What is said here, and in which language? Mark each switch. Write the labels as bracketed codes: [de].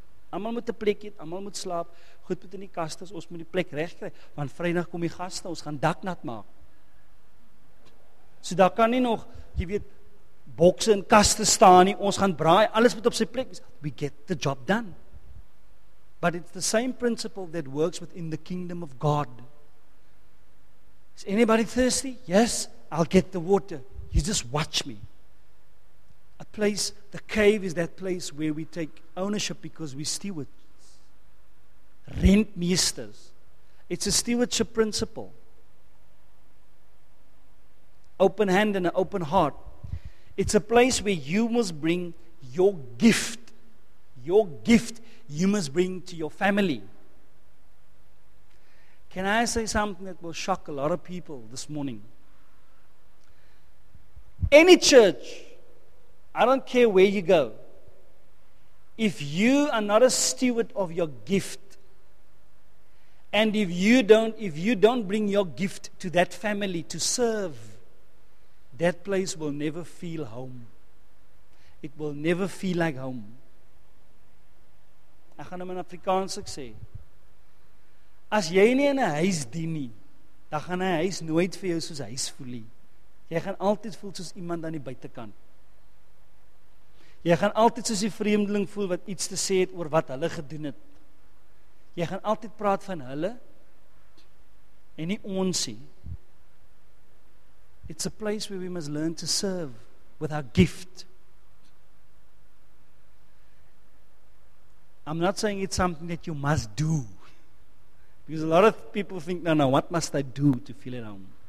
[af] Almal moet 'n plek hê, almal moet slaap. Goed moet in die kaste, ons moet die plek regkry want Vrydag kom die gaste, ons gaan dak nat maak. So daar kan nie nog, jy weet, bokse en kaste staan nie. Ons gaan braai, alles moet op sy plek wees. [en] We get the job done. But it's the same principle that works within the kingdom of God. Is anybody thirsty? Yes. I'll get the water. You just watch me. A place, the cave is that place where we take ownership because we stewards. [af] Rentmeesters. [en] It's a stewardship principle. Open hand and an open heart. It's a place where you must bring your gift. Your gift you must bring to your family. Can I say something that will shock a lot of people this morning? Any church, I don't care where you go, if you are not a steward of your gift, and if you don't bring your gift to that family to serve, that place will never feel home. It will never feel like home. [af] Ek gaan hom in Afrikaans sê. As jy nie in 'n huis dien nie, dan gaan 'n huis nooit vir jou soos huis voel nie. Jy gaan altyd voel soos iemand aan die buitekant. Jy gaan altyd soos die vreemdeling voel wat iets te sê het oor wat hulle gedoen het. Jy gaan altyd praat van hulle en nie ons nie. [en] It's a place where we must learn to serve with our gift. I'm not saying it's something that you must do. Because a lot of people think, no, what must I do to feel at home?